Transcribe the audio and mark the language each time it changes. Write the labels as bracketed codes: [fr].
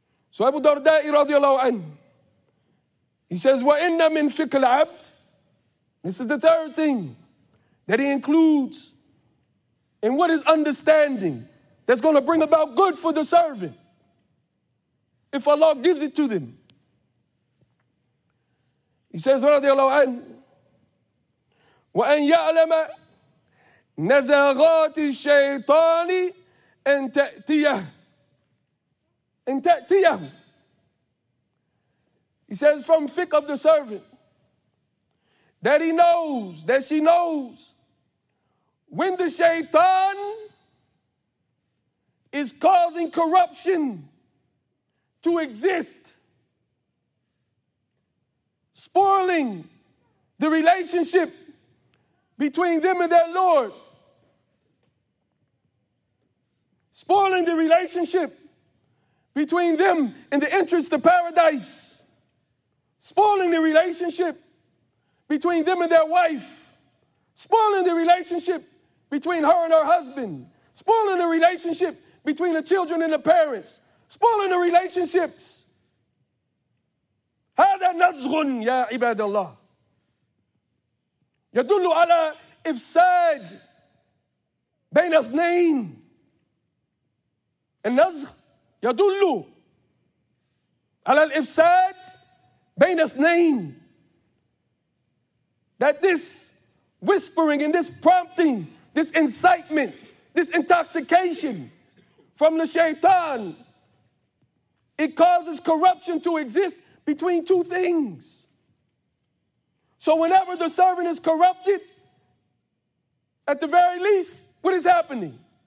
[en] So Abu Darda'i radiallahu anhu, he says, [ar] وَإِنَّ مِنْ فِكْرِ الْعَبْدِ. [en] This is the third thing that he includes in what is understanding that's going to bring about good for the servant if Allah gives it to them. He says, [ar] radiallahu anhu, وَأَنْ يَعْلَمَ نَزَغَاتِ الشَّيْطَانِ أَنْ تَأْتِيَهُ. In ta'tiyahu. [en] He says, from fiqh of the servant, that he knows, that she knows, when the shaitan is causing corruption to exist, spoiling the relationship between them and their Lord, spoiling the relationship between them and the entrance to paradise, spoiling the relationship between them and their wife, spoiling the relationship between her and her husband, spoiling the relationship between the children and the parents, spoiling the relationships. [ar] هذا نزغ يا عباد الله يدل على إفساد بين اثنين. النزغ يدل على الإفساد بين اثنين. [en] That this whispering and this prompting, this incitement, this intoxication from the shaitan, it causes corruption to exist between two things. So whenever the servant is corrupted, at the very least, what is happening?